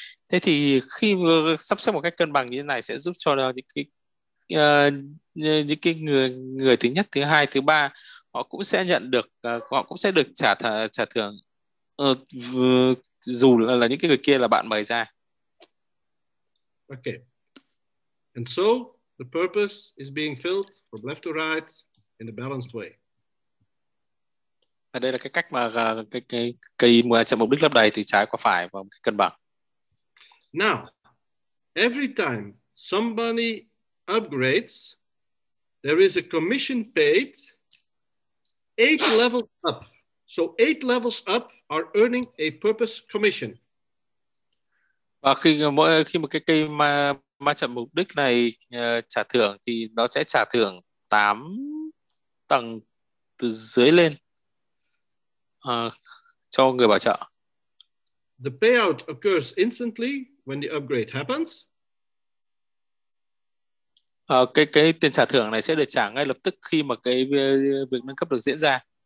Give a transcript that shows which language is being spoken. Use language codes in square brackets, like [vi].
[vi] Thế thì khi sắp xếp một cái cân bằng như thế này sẽ giúp cho những cái người thứ nhất, thứ hai, thứ ba họ cũng sẽ nhận được, họ cũng sẽ được trả thưởng dù là những cái người kia là bạn mời ra. [en] Okay. And so the purpose is being filled from left to right in a balanced way. [vi] Và đây là cái cách mà cái chạm mục đích lớp đầy từ trái qua phải và cái cân bằng. [en] Now, every time somebody upgrades, there is a commission paid. 8 levels up. So 8 levels up are earning a purpose commission. [vi] Và khi mà cái cây ma trận mục đích này trả thưởng thì nó sẽ trả thưởng 8 tầng từ dưới lên cho người bảo trợ. [en] The payout occurs instantly when the upgrade happens. [vi] Cái tiền trả thưởng này sẽ được trả ngay lập tức khi mà cái việc nâng cấp được diễn ra.